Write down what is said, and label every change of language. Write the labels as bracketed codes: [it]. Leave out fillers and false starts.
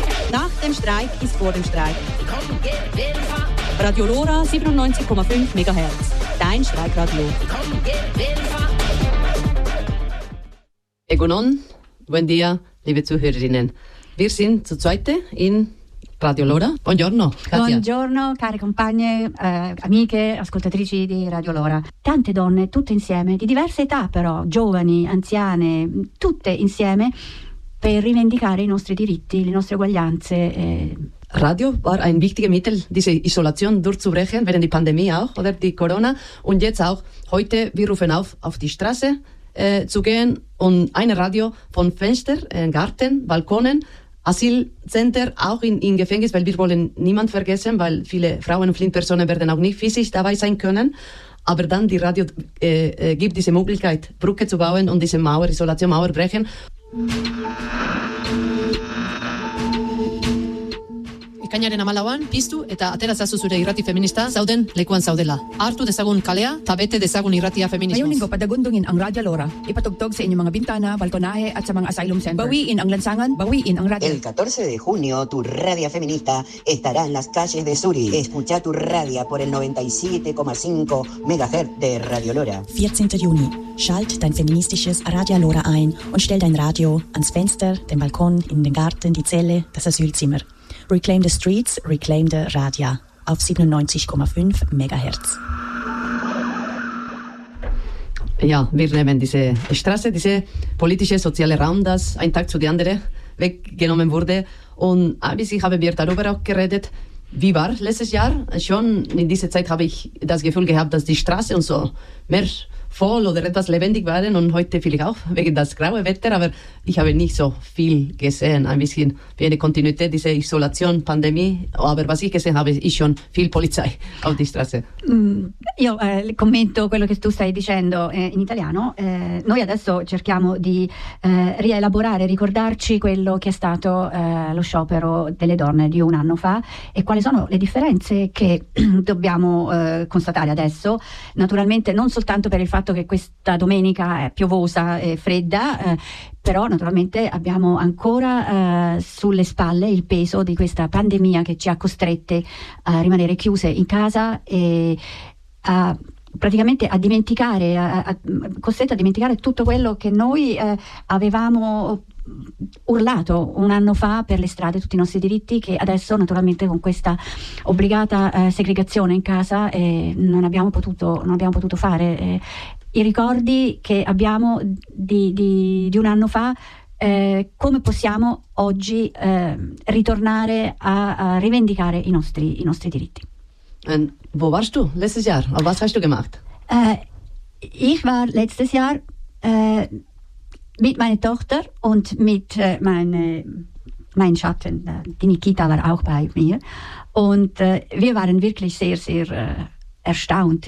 [de] Nach dem Streik ist vor dem Streik. Radio Lora 97,5 MHz. Dein Streikradio. Egonon, [es] buen dia, [de] liebe Zuhörerinnen. Wir sind zu zweite in Radio Lora. [it] Buongiorno, Katia. Buongiorno, care compagne, amiche, ascoltatrici di Radio Lora. Tante donne, tutte insieme, di diverse età però, giovani, anziane, tutte insieme, per rivendicare i nostri diritti, le nostre uguaglianze. [de] Radio war ein wichtiges Mittel, diese Isolation durchzubrechen, während die Pandemie auch, oder die Corona. Und jetzt auch, heute, wir rufen auf die Straße zu gehen und eine Radio von Fenster, Garten, Balkonen, Asylcenter, auch in Gefängnis, weil wir wollen niemand vergessen, weil viele Frauen und Flintpersonen werden auch nicht physisch dabei sein können. Aber dann die Radio gibt diese Möglichkeit, Brücke zu bauen und diese Mauer, Isolationmauer brechen. [eu] Ekainaren 14an piztu eta aterazazu zure irrati feminista zauden lekuan zaudela. Hartu dezagun kalea eta bete dezagun irratia feminismoz. [tl] Ngayon linggo padagundungin ang Radyo Lora. Ipatugtog sa inyong mga bintana, balkonahe at sa mga asylum center. Bawiin ang lansangan, bawiin ang radyo. [es] El 14 de junio, tu radio feminista estará en las calles de Zurich. Escucha tu radio por el 97,5 MHz de Radio Lora. [de] 14. juni. Schalt dein feministisches Radio Lora ein und stell dein Radio ans Fenster, den Balkon, in den Garten, die Zelle, das Asylzimmer. [en] Reclaim the streets, reclaim the radio auf 97,5 MHz. [de] Ja, wir nehmen diese Straße, diese politische, soziale Raum, das ein Tag zu dem anderen weggenommen wurde. Und abschließend haben wir darüber auch geredet, wie war letztes Jahr. Schon in dieser Zeit habe ich das Gefühl gehabt, dass die Straße und so mehr voll oder etwas lebendig waren und heute vielleicht auch wegen das graue Wetter, aber ich habe nicht so viel gesehen, ein bisschen wie eine Kontinuität, diese Isolation, Pandemie, aber was ich gesehen habe, ist schon viel Polizei auf die Straße. [it] Io commento quello che tu stai dicendo in italiano. Noi adesso cerchiamo di rielaborare, ricordarci quello che è stato lo sciopero delle donne di un anno fa e quali sono le differenze che dobbiamo constatare adesso. Naturalmente non so soltanto per il fatto che questa domenica è piovosa e fredda, però naturalmente abbiamo ancora sulle spalle il peso di questa pandemia che ci ha costrette a rimanere chiuse in casa e a praticamente a dimenticare, costretto a dimenticare tutto quello che noi avevamo urlato un anno fa per le strade, tutti i nostri diritti, che adesso naturalmente con questa obbligata segregazione in casa non abbiamo potuto fare. I ricordi che abbiamo di un anno fa, come possiamo oggi ritornare a rivendicare i nostri diritti? [de] Und wo warst du letztes Jahr? Und was hast du gemacht? Ich war letztes Jahr mit meiner Tochter und mit meinem Schatten. Die Nikita war auch bei mir. Und wir waren wirklich sehr, sehr erstaunt.